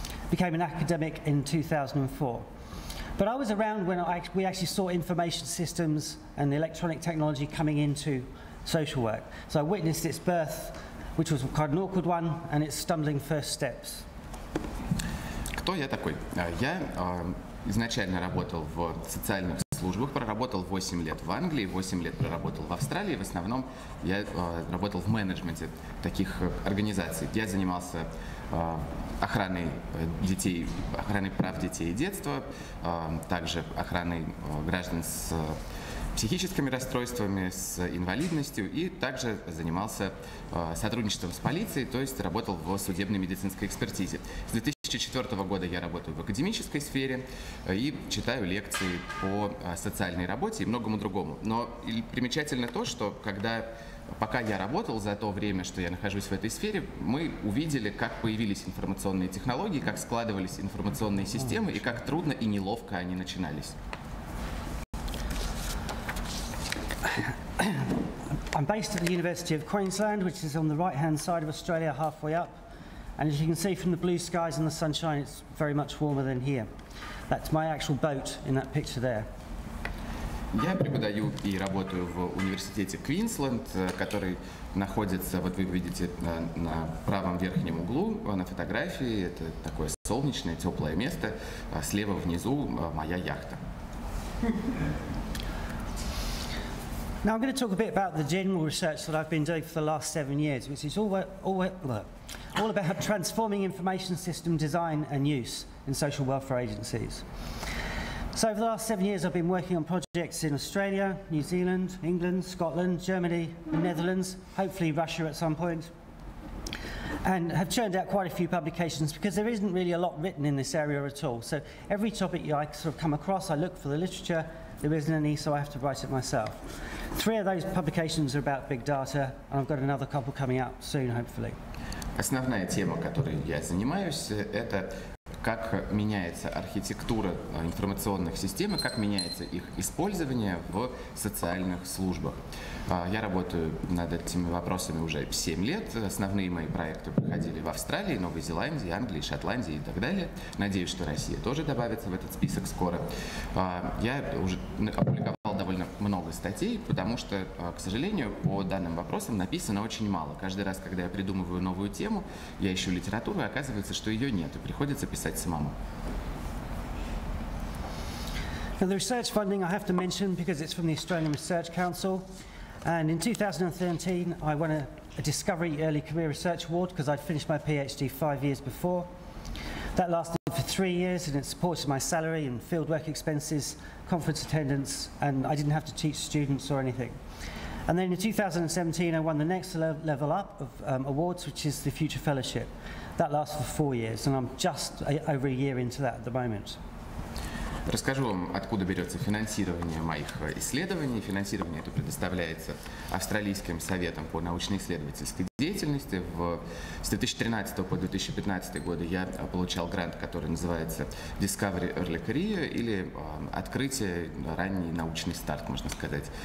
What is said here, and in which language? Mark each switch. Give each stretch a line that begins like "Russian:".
English: Became an academic in 2004. But I was around when we actually saw information systems and electronic technology coming into social work. So I witnessed its birth, which was quite an awkward one, and its stumbling first steps.
Russian: Кто я такой? Я изначально работал в социальных службах, проработал 8 лет в Англии, 8 лет проработал в Австралии. В основном я работал в менеджменте таких организаций. Я занимался охраной детей, охраной прав детей и детства, также охраной граждан с психическими расстройствами, с инвалидностью, и также занимался сотрудничеством с полицией, то есть работал в судебной медицинской экспертизе. С 2004 года я работаю в академической сфере и читаю лекции по социальной работе и многому другому. Но примечательно то, что пока я работал, за то время, что я нахожусь в этой сфере, мы увидели, как появились информационные технологии, как складывались информационные системы и как трудно и неловко они начинались.
English: I'm based at the University of Queensland, which is on the right-hand side of Australia, halfway up. And as you can see from the blue skies and the sunshine, it's very much warmer than here. That's my actual boat in that picture there.
Russian: Я преподаю и работаю в университете Квинсленд, который находится, вот вы видите, на правом верхнем углу на фотографии. Это такое солнечное, теплое место. Слева внизу моя яхта.
English: Now I'm going to talk a bit about the general research that I've been doing for the last 7 years, which is all about transforming information system design and use in social welfare agencies. So over the last 7 years, I've been working on projects in Australia, New Zealand, England, Scotland, Germany, the Netherlands, hopefully Russia at some point, and have churned out quite a few publications because there isn't really a lot written in this area at all. So every topic I sort of come across, I look for the literature. There isn't any, so I have to write it myself. Three of those publications are about big data, and I've got another couple coming up soon, hopefully.
Russian: Основная тема, которой я занимаюсь, это как меняется архитектура информационных систем и как меняется их использование в социальных службах. Я работаю над этими вопросами уже 7 лет. Основные мои проекты проходили в Австралии, Новой Зеландии, Англии, Шотландии и так далее. Надеюсь, что Россия тоже добавится в этот список скоро. Я уже опубликовал довольно много статей, потому что, к сожалению, по данным вопросам написано очень мало. Каждый раз, когда я придумываю новую тему, я ищу литературу, и оказывается, что ее нет, и приходится писать.
English: Now the research funding I have to mention because it's from the Australian Research Council, and in 2013 I won a Discovery Early Career Research Award because I'd finished my PhD 5 years before. That lasted for 3 years and it supported my salary and fieldwork expenses, conference attendance, and I didn't have to teach students or anything. And then in 2017 I won the next level up of awards, which is the Future Fellowship. That lasts for 4 years, and I'm just over a year into that at the moment.
Russian: Расскажу вам, откуда берется финансирование моих исследований. Финансирование это предоставляется Австралийским советом по научно-исследовательской деятельности. С 2013 по 2015 годы я получал грант, который называется Discovery Early Career, или открытие, ранний научный старт, можно сказать.